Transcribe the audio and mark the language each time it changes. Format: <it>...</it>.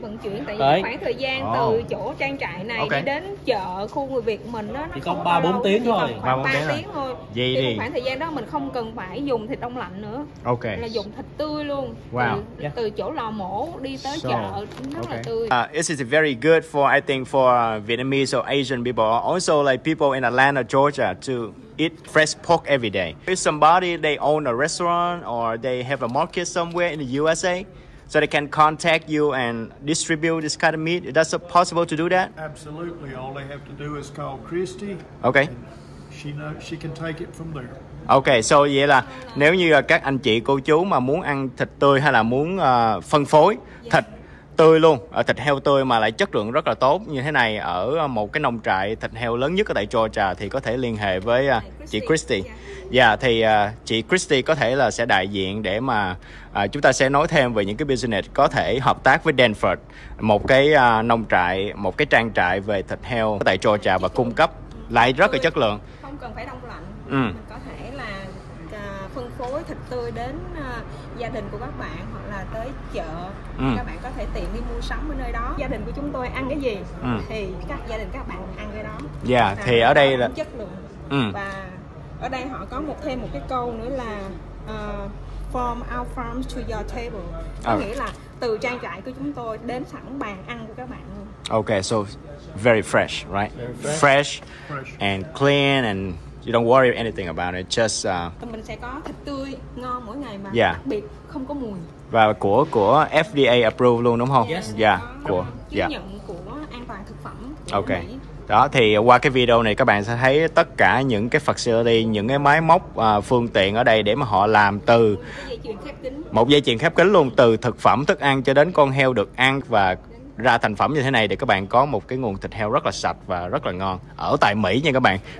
<vi>vận chuyển, tại vì khoảng thời gian từ chỗ trang trại này đi đến chợ khu người Việt mình á, chỉ có 3-4 tiếng thôi. Khoảng thời gian đó mình không cần phải dùng thịt đông lạnh nữa.</vi> <en>Ok.</en> <vi>Là dùng thịt tươi luôn.</vi> <en>Wow.</en> <vi>Từ chỗ lò mổ đi tới chợ rất là tươi.</vi> <en>This is very good for, I think, for Vietnamese or Asian people, also like people in Atlanta, Georgia, to eat fresh pork every day. If somebody, they own a restaurant or they have a market somewhere in the USA, so they can contact you and distribute this kind of meat, is that possible to do that? Absolutely. All they have to do is call Christy. Okay. She knows, she can take it from there.</en> <vi>Okay, so vậy là nếu như các anh chị, cô chú mà muốn ăn thịt tươi hay là muốn phân phối thịt tươi luôn, thịt heo tươi mà lại chất lượng rất là tốt như thế này ở một cái nông trại thịt heo lớn nhất ở tại Georgia thì có thể liên hệ với chị Christy. Dạ, thì chị Christy có thể là sẽ đại diện để mà chúng ta sẽ nói thêm về những cái business có thể hợp tác với Danford, một cái nông trại, một cái trang trại về thịt heo ở tại Georgia và cung cấp lại rất là chất lượng. Không cần phải đông lạnh, mình có thể là phân phối thịt tươi đến gia đình của các bạn hoặc là tới chợ. Các bạn có thể tiện đi mua sắm ở nơi đó. Gia đình của chúng tôi ăn cái gì thì các gia đình các bạn ăn cái đó. Dạ, thì ở đây là chất lượng. Và ở đây họ có một thêm một cái câu nữa là</vi> <en>from our farm to your table.</en> <vi>Có nghĩa là từ trang trại của chúng tôi đến sẵn bàn ăn của các bạn luôn.</vi> <en>Okay, so very fresh, right? Fresh and clean, and you don't worry anything about it. Just</en> <vi>mình sẽ có thịt tươi ngon mỗi ngày mà</vi> <en>yeah.</en> <vi>đặc biệt không có mùi. Và của FDA approved luôn đúng không?</vi> <en>Yes. Yeah.</en> <vi>Của chứng nhận của an toàn thực phẩm.</vi> <en>Okay.</en> <vi>Đó thì qua cái video này các bạn sẽ thấy tất cả những cái facility, những cái máy móc, phương tiện ở đây để mà họ làm từ một dây chuyền khép kín luôn, từ thực phẩm, thức ăn cho đến con heo được ăn và ra thành phẩm như thế này, để các bạn có một cái nguồn thịt heo rất là sạch và rất là ngon ở tại Mỹ nha các bạn.</vi>